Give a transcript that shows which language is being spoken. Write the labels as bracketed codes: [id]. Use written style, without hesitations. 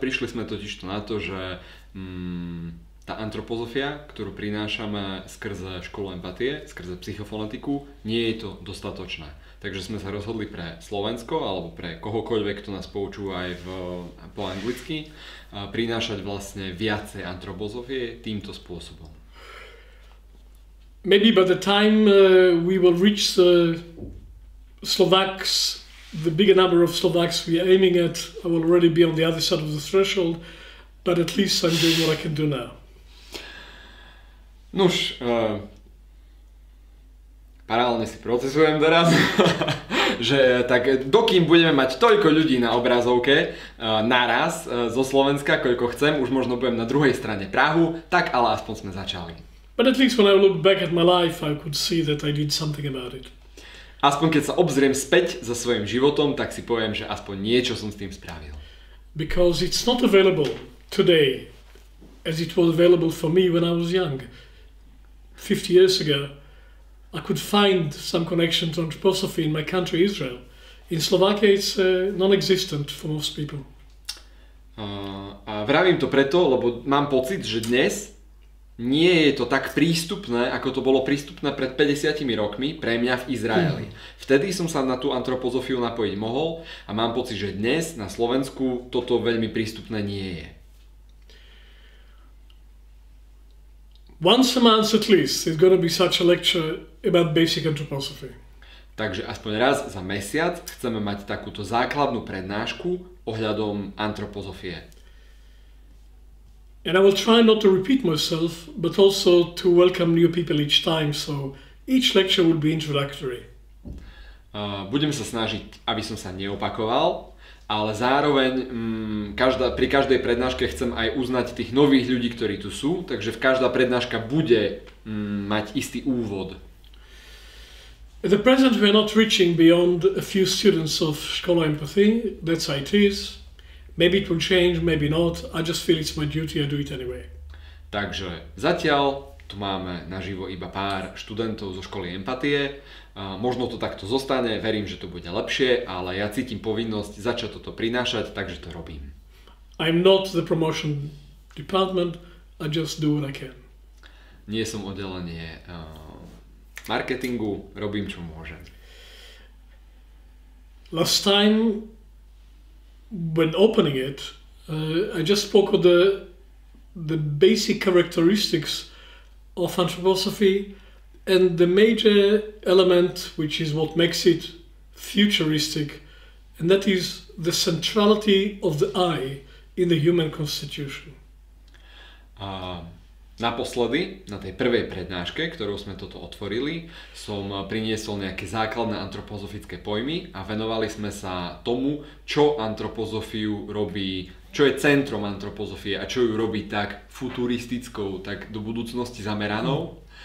[sk] Prišli sme totiž to na to, že tá antropozofia, ktorú prinášame skrze školu empatie, skrze psychofonetiku, nie je to dostatočné. Takže sme sa rozhodli pre Slovensko, alebo pre kohokoľvek, kto nás poučúva aj po anglicky, prinášať vlastne viacej antropozofie týmto spôsobom. [en] Maybe by the time we will reach the Slovaks, the bigger number of Slovaks we are aiming at, I will already be on the other side of the threshold, but at least I'm doing what I can do now. [sk] Nuž, paralelne si procesujem teraz, že tak dokým budeme mať toľko ľudí na obrazovke naraz zo Slovenska, koľko chcem, už možno budem na druhej strane Prahu, tak ale aspoň sme začali. [en] But at least when I look back at my life, I could see that I did something about it. [sk] Aspoň keď sa obzriem späť za svojim životom, tak si poviem, že aspoň niečo som s tým spravil. [en] Because it's not available today as it was available for me when I was young. 50 years ago, I could find some connection to anthroposophy in my country, Israel. In Slovakia, it's non-existent for most people. [sk] A vravím to preto, lebo mám pocit, že dnes nie je to tak prístupné, ako to bolo prístupné pred 50 rokmi pre mňa v Izraeli. Vtedy som sa na tú antropozofiu napojiť mohol a mám pocit, že dnes na Slovensku toto veľmi prístupné nie je. [en] Once a month at least is going to be such a lecture about basic anthroposophy. [sk] Takže aspoň raz za mesiac chceme mať takúto základnú prednášku ohľadom antropozofie. [en] And I will try not to repeat myself, but also to welcome new people each time, so each lecture would be introductory. [sk] Budem sa snažiť, aby som sa neopakoval, ale zároveň pri každej prednáške chcem aj uznať tých nových ľudí, ktorí tu sú, takže každá prednáška bude mať istý úvod. [en] At the present we are not reaching beyond a few students of Skola Empathy, that's how it is. Maybe it will change, maybe not. I just feel it's my duty, I do it anyway. [sk] Takže zatiaľ tu máme naživo iba pár študentov zo školy empatie. Možno to takto zostane, verím, že to bude lepšie, ale ja cítim povinnosť začať toto prinášať, takže to robím. [en] I'm not the promotion department, I just do what I can. [sk] Nie som oddelenie marketingu, robím čo môžem. [en] Last time, when opening it, I just spoke of the basic characteristics of anthroposophy and the major element which is what makes it futuristic, and that is the centrality of the I in the human constitution. [sk] Naposledy, na tej prvej prednáške, ktorou sme toto otvorili, som priniesol nejaké základné antropozofické pojmy a venovali sme sa tomu, čo antropozofiu robí, čo je centrom antropozofie a čo ju robí tak futuristickou, tak do budúcnosti zameranou.